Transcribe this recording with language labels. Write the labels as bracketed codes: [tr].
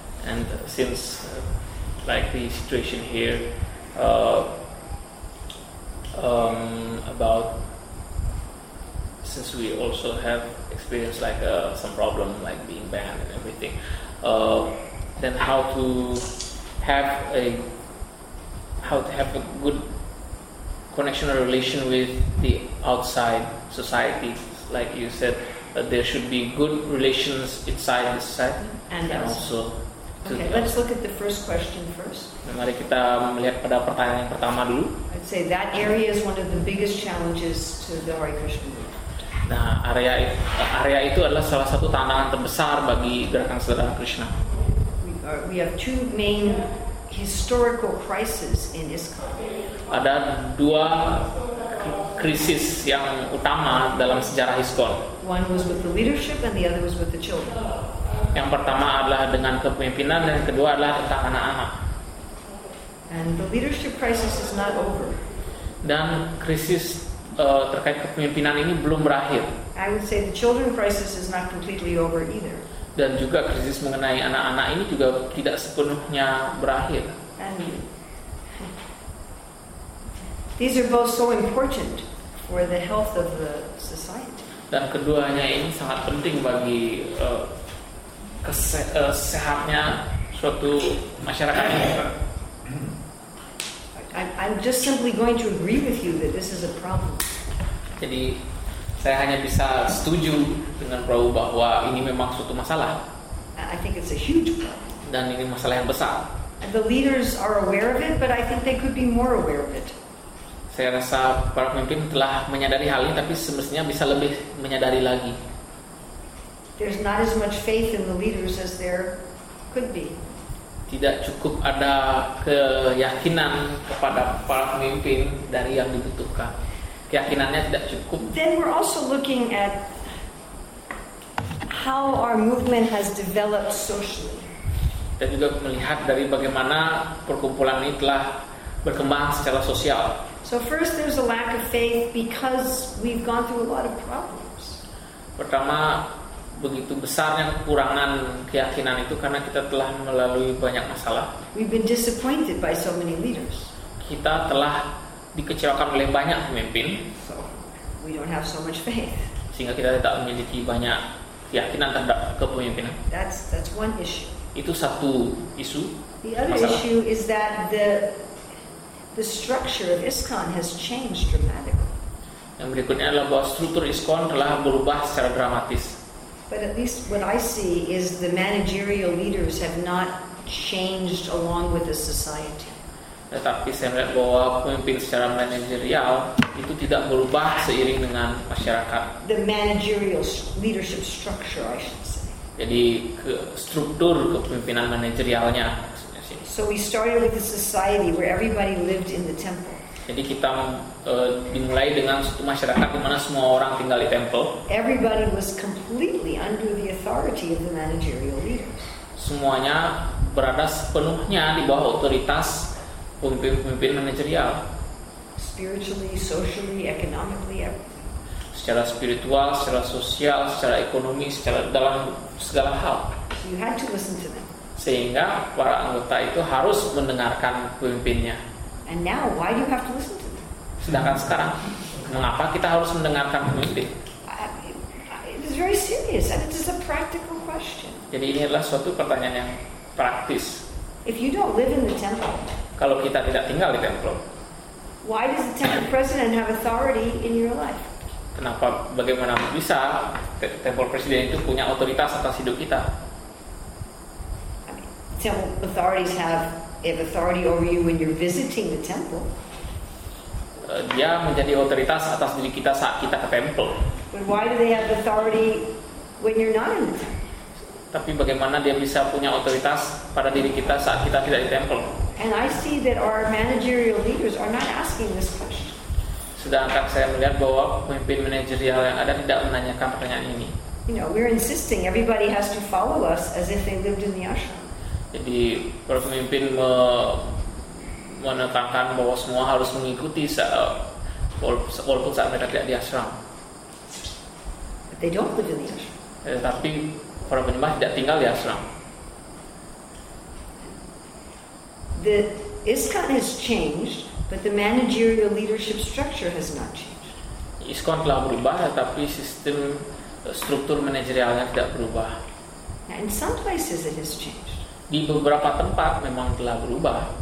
[en] And since like the situation here about since we also have experienced like some problem like being banned and everything, then how to have a good connection or relation with the outside society, like you said, there should be good relations inside the society and also. Okay, let's look at the first question first. [id] Mari kita melihat pada pertanyaan yang pertama dulu. [en] I'd say that area is one of the biggest challenges to the Hare Krishna movement. [id] Nah, area itu adalah salah satu tantangan terbesar bagi gerakan Sadhana Krishna. [en] We have two main historical crises in ISKCON. [id] Ada dua krisis yang utama dalam sejarah ISKCON. [en] One was with the leadership and the other was with the children. [id] Yang pertama adalah dengan kepemimpinan dan yang kedua adalah tentang anak-anak. [en] And the leadership crisis is not over. [id] Dan krisis terkait kepemimpinan ini belum berakhir. [en] I would say the children crisis is not completely over either. [id] Dan juga krisis mengenai anak-anak ini juga tidak sepenuhnya berakhir. [en] And these are both so important for the health of the society. [id] Dan keduanya ini sangat penting bagi kesehatannya suatu masyarakat ini. [en] I'm just simply going to agree with you that this is a problem. [id] Jadi saya hanya bisa setuju dengan Prabhu bahwa ini memang suatu masalah. [en] I think it's a huge problem. [id] Dan ini masalah yang besar. [en] And the leaders are aware of it, but I think they could be more aware of it. [id] Saya rasa para pemimpin telah menyadari hal ini, tapi semestinya bisa lebih menyadari lagi. [en] There's not as much faith in the leaders as there could be. [id] Tidak cukup ada keyakinan kepada para pemimpin dari yang dibutuhkan. Keyakinannya tidak cukup. [en] Then we're also looking at how our movement has developed socially. [id] Dan juga melihat dari bagaimana perkumpulan ini telah berkembang secara sosial. [en] So first there's a lack of faith because we've gone through a lot of problems. [id] Pertama, begitu besarnya kekurangan keyakinan itu karena kita telah melalui banyak masalah. [en] We've been disappointed by so many leaders. [id] Kita telah dikecewakan oleh banyak pemimpin. [en] So we don't have so much faith. [id] Sehingga kita tidak memiliki banyak keyakinan terhadap kepemimpinan. [en] That's one issue. [id] Itu satu isu. [en] The other [id] masalah. [en] Issue is that the structure of ISKCON has changed dramatically. [id] Yang berikutnya adalah bahwa struktur ISKCON telah berubah secara dramatis. [en] But at least what I see is the managerial leaders have not changed along with the society. [id] Tetapi saya melihat bahwa pemimpin secara manajerial itu tidak berubah seiring dengan masyarakat. [en] The managerial leadership structure, I should say. [id] Jadi struktur kepemimpinan manajerialnya. [en] So we started with a society where everybody lived in the temple. [id] Jadi kita dimulai dengan satu masyarakat di mana semua orang tinggal di temple. [en] Everybody was completely under the authority of the managerial leaders. [id] Semuanya berada sepenuhnya di bawah otoritas pemimpin-pemimpin manajerial. [en] Spiritually, socially, economically, everything. [id] Secara spiritual, secara sosial, secara ekonomi, secara dalam segala hal. [en] So you had to listen to them. [id] Sehingga para anggota itu harus mendengarkan pemimpinnya. [en] And now, why do you have to listen to them? [id] Sedangkan sekarang, mengapa kita harus mendengarkan pemimpin? [en] It is very serious, and it is a practical question. [id] Jadi ini adalah suatu pertanyaan yang praktis. [en] If you don't live in the temple, [id] kalau kita tidak tinggal di templo, [en] why does the temple president have authority in your life? [id] Kenapa, bagaimana bisa temple president itu punya otoritas atas hidup kita? [en] Temple authorities have authority over you when you're visiting the temple. [id] Dia menjadi otoritas atas diri kita saat kita ke temple. [en] But why do they have authority when you're not in the temple? [id] Tapi bagaimana dia bisa punya otoritas pada diri kita saat kita tidak di temple? [en] And I see that our managerial leaders are not asking this question. [id] Sedangkan saya melihat bahwa pemimpin manajerial yang ada tidak menanyakan pertanyaan ini. [en] You know, we're insisting everybody has to follow us as if they lived in the ashram. [id] Jadi para pemimpin menekankan bahwa semua harus mengikuti walaupun saat mereka tidak di ashram. [en] But they don't live in the ashram. [id] Tetapi para penyembah tidak tinggal di ashram. [en] The ISKCON has changed, but the managerial leadership structure has not changed. [id] ISKCON telah berubah, tapi sistem struktur manajerialnya tidak berubah. [en] Now, in some places it has changed. [id] Di beberapa tempat memang telah berubah.